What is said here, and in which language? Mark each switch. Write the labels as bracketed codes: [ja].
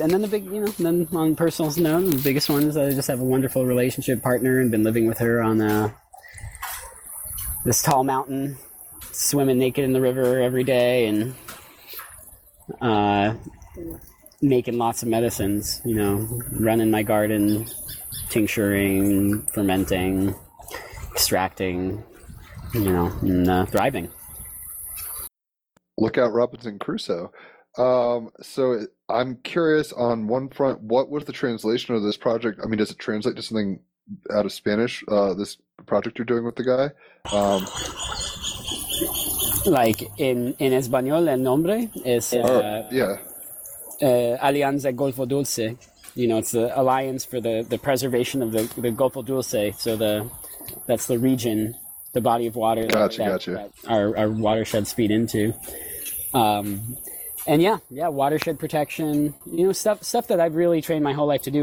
[en] And then the big, then on personal note, the biggest one is that I just have a wonderful relationship partner and been living with her on this tall mountain, swimming naked in the river every day and making lots of medicines, running my garden, tincturing, fermenting, extracting, and thriving. Look out, Robinson Crusoe. So I'm curious, on one front, what was the translation of this project? I mean, does it translate to something out of Spanish, this project you're doing with the guy? Like in [es] Espanol, el nombre es Alianza Golfo Dulce. [en] It's the alliance for the preservation of the Golfo Dulce. So that's the region, the body of water that our watersheds feed into. And watershed protection, stuff that I've really trained my whole life to do.